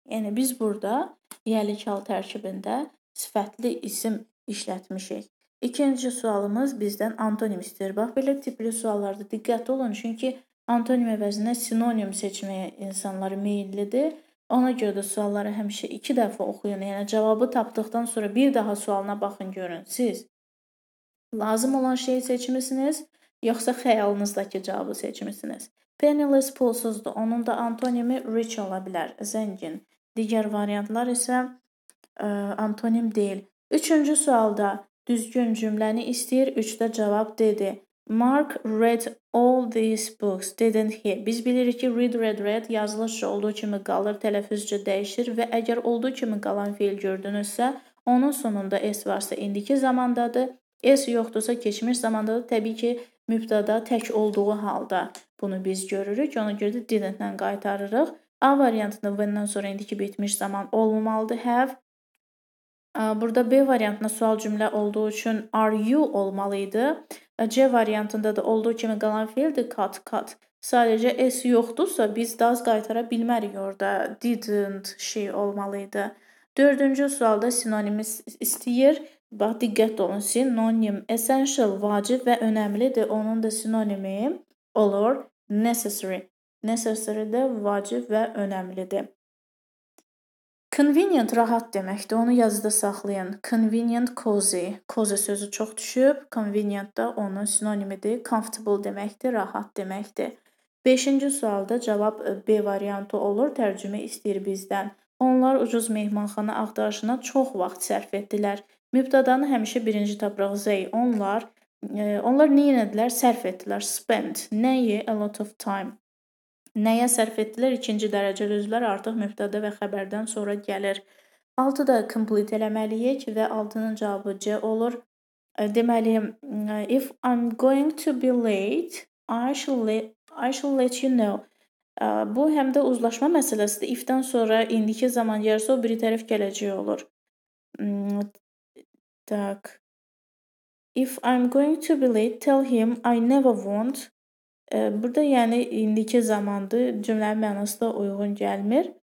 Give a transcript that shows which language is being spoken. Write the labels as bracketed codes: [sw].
[az] Yəni, biz burada yəlik hal tərkibində sifətli isim işlətmişik. İkinci sualımız bizdən antonim istəyir. Bax, belə tipli suallarda diqqət olun, çünki antonim əvəzinə sinonim seçməyə insanlar meyillidir. Ona görə də sualları həmişə iki dəfə oxuyun. Yəni, cavabı tapdıqdan sonra bir daha sualına baxın, görün. Siz lazım olan şeyi seçmişsiniz, yoxsa xəyalınızdakı cavabı seçmişsiniz. Penniless pulsuzdur. Onun da antonimi rich ola bilər, zəngin. Digər variantlar isə antonim deyil. Üçüncü sualda düzgün cümləni istəyir. Üçdə cavab dedi. [en] Mark read all these books, didn't he? [az] Biz bilirik ki, read yazılış olduğu kimi qalır, tələffüzcə dəyişir və əgər olduğu kimi qalan fiil gördünüzsə, onun sonunda S varsa indiki zamandadır. S yoxdursa keçmiş zamandadır. Təbii ki, mübtada tək olduğu halda bunu biz görürük. Ona görə də didn't-lə qaytarırıq. A variantında when-dən sonra indiki bitmiş zaman olmamalıdır have. Burada B variantında sual cümlə olduğu üçün are you olmalıydı. C variantında da olduğu kimi qalan fiildir cut. Sadəcə S yoxdursa biz does qaytara bilmərik orada. Didn't şey olmalıydı. Dördüncü sualda sinonimiz istəyir. Bax, diqqət olun, sinonim essential, vacib və önəmlidir. Onun da sinonimi olur necessary. Necessary də vacib və önəmlidir. Convenient rahat deməkdir, onu yazıda saxlayın. Convenient, cozy. Cozy sözü çox düşüb, convenient da onun sinonimidir. Comfortable deməkdir, rahat deməkdir. Beşinci sualda cavab B variantı olur, tərcümə istəyir bizdən. Onlar ucuz mehmanxana axtarışına çox vaxt sərf etdilər. Mübtadanı həmişə birinci tapırıq zəy. Onlar nəyə edilər? Sərf etdilər. Spend. Nəyi? [en] A lot of time. [az] Nəyə sərf etdilər? İkinci dərəcəli üzvlər artıq mübtada və xəbərdən sonra gəlir. 6 da complete eləməliyik və 6-nın cavabı C olur. [en] Deməli, if I'm going to be late, I shall let you know. [az] Bu həm də uzlaşma məsələsidir. If-dən sonra indiki zaman yerisə o biri tərəf gələcək olur. [en] Tak. If I'm going to be late, tell him I never won't. [az] Burada yəni indiki zamandır, cümlənin mənası da uyğun gəlmir.